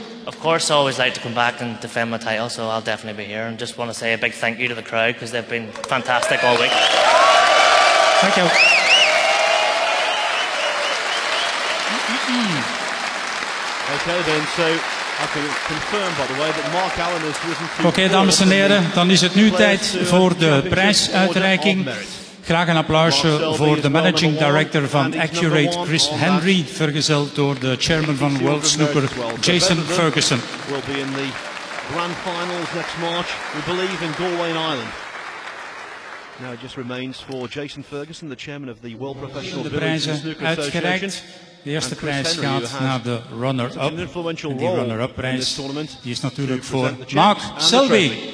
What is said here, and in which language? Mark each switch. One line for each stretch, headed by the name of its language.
English: Of course, I always like to come back and defend my title, so I'll definitely be here. And just want to say a big thank you to the crowd, because they've been fantastic all week. Thank you. Okay then, so I can confirm, by the way, that Mark Allen has risen to...
Dutch: Okay, dames en heren, dan is het nu tijd voor de prijsuitreiking. Graag een applausje voor de managing director van Accurate, Chris Henry, vergezeld door de chairman van World Snooker, Jason Ferguson.
English: We'll be in the grand finals next March, we believe, in Galway and Ireland. Now it just remains for Jason Ferguson, the chairman of the World Professional Billiards and Snooker Association.
Dutch: De eerste prijs gaat naar de runner-up. En die runner-up prijs die is natuurlijk voor Mark Selby.